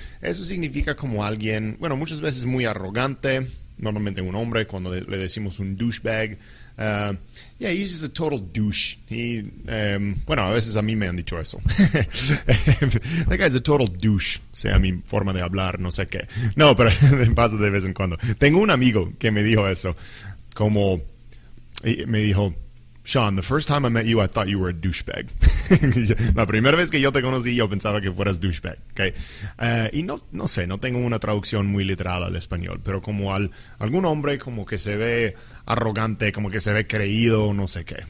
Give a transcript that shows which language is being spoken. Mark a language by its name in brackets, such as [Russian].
[Spanish] Eso significa como alguien, bueno, muchas veces muy arrogante, normalmente un hombre, cuando le decimos un douchebag. [English] Yeah, he's just a total douche. [Spanish] Bueno, a veces a mí me han dicho eso. [English] That guy's a total douche. [Spanish] Sea mi forma de hablar, no sé qué. No, pero pasa de vez en cuando. Tengo un amigo que me dijo eso. Como, me dijo, [English] Sean, the first time I met you, I thought you were a douchebag. [Spanish] La primera vez que yo te conocí, yo pensaba que fueras douchebag, okay? Y no sé, no tengo una traducción muy literal al español, pero como algún hombre como que se ve arrogante, como que se ve creído, no sé qué.